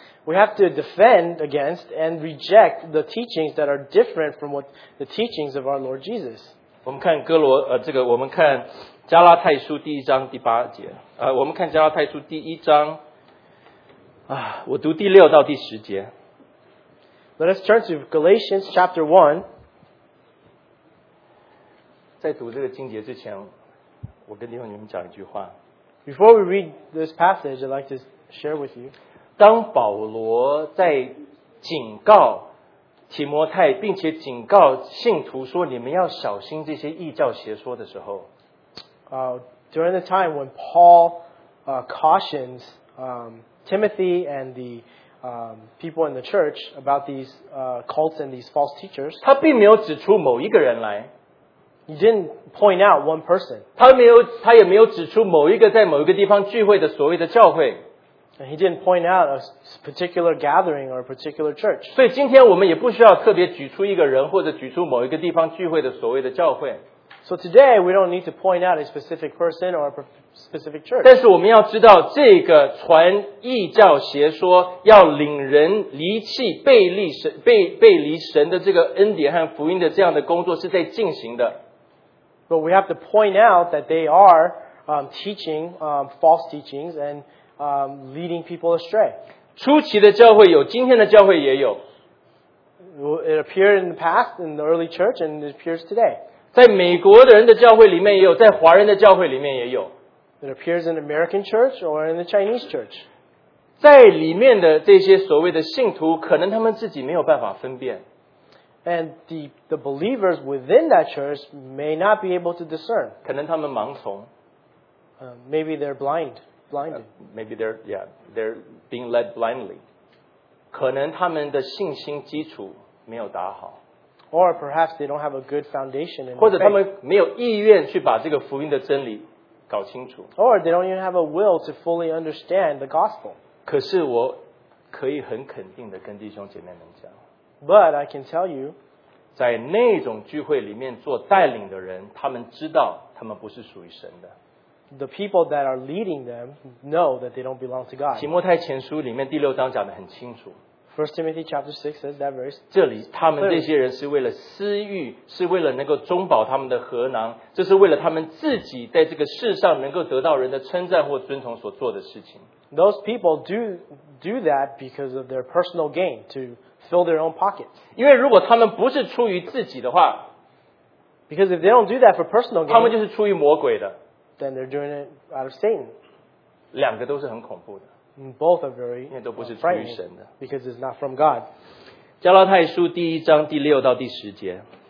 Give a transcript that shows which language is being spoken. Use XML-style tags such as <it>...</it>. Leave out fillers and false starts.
<en>We have to defend against and reject the teachings that are different from what the teachings of our Lord Jesus.</en> <zh>我们看哥罗这个我们看加拉太书第一章第八节我们看加拉太书第一章我读第六到第十节。</zh> <en>Let us turn to Galatians chapter 1.</en> <zh>在读这个经节之前，我跟弟兄姊妹讲一句话。</zh> <en>Before we read this passage, I'd like to share with you.</en> <zh>当保罗在警告提摩太，并且警告信徒说：“你们要小心这些异教邪说”的时候</zh> <en>，during the time when Paul cautions Timothy and the people in the church about these cults and these false teachers，</en> <zh>他并没有指出某一个人来</zh> <en>，he didn't point out one person，</en> <zh>他也没有指出某一个在某一个地方聚会的所谓的教会。</zh> <en>And he didn't point out a particular gathering or a particular church.</en> <zh>所以今天我们也不需要特别举出一个人或者举出某一个地方聚会的所谓的教会。</zh> <en>So today we don't need to point out a specific person or a specific church.</en> <zh>但是我们要知道这个传异教邪说要领人离弃背离神的这个恩典和福音的这样的工作是在进行的。</zh> <en>But we have to point out that they are teaching false teachings andleading people astray.</en> <zh>初期的教会有，今天的教会也有。</zh> <en>It appeared in the past in the early church, and it appears today.</en> <zh>在美国的人的教会里面也有，在华人的教会里面也有。</zh> <en>It appears in American church or in the Chinese church.</en> <zh>在里面的这些所谓的信徒，可能他们自己没有办法分辨。</zh> <en>And the believers within that church may not be able to discern.</en> <zh>可能他们盲从。</zh> <en>Maybe they're blind. Blinded. Maybe they're being led blindly.</en> <zh>可能他们的信心基础没有打好。</zh> <en>Or perhaps they don't have a good foundation in.</en> <zh>或者他们没有意愿去把这个福音的真理搞清楚。</zh> <en>Or they don't even have a will to fully understand the gospel.</en> <zh>可是我可以很肯定的跟弟兄姐妹们讲。</zh> <en>But I can tell you,</en> <zh>在那种聚会里面做带领的人，他们知道他们不是属于神的。</zh> <en>The people that are leading them know that they don't belong to God.</en> <zh>提摩太前书里面第六章讲得很清楚。</zh> <en>First Timothy chapter 6 says that verse.</en> <zh>这里他们这些人是为了私欲，是为了能够中饱他们的荷囊，这是为了他们自己在这个世上能够得到人的称赞或尊崇所做的事情。</zh> <en>Those people do that because of their personal gain to fill their own pockets.</en> <zh>因为如果他们不是出于自己的话,</zh> <en>because if they don't do that for personal gain,</en> <zh>他们就是出于魔鬼的,</zh> <en>then they're doing it out of Satan.</en> <zh>两个都是很恐怖的。</zh> <en>Both are very frightening because it's not from God.</en> <zh>加拉太书第一章第六到第十节。</zh>